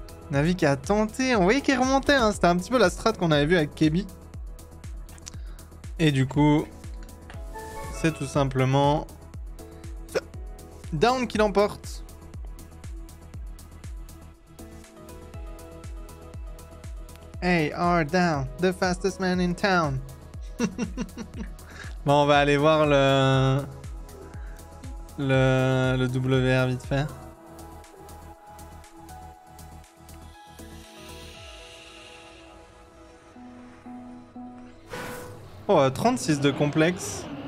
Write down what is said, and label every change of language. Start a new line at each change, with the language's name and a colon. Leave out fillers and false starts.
French: Navi qui a tenté, on voyait qu'il remontait, hein. C'était un petit peu la strat qu'on avait vu avec Kebi. Et du coup, c'est tout simplement Down qui l'emporte.
English: Hey, R Down, the fastest man in town.
French: Bon, on va aller voir le WR vite fait. Oh, 36 de complexe.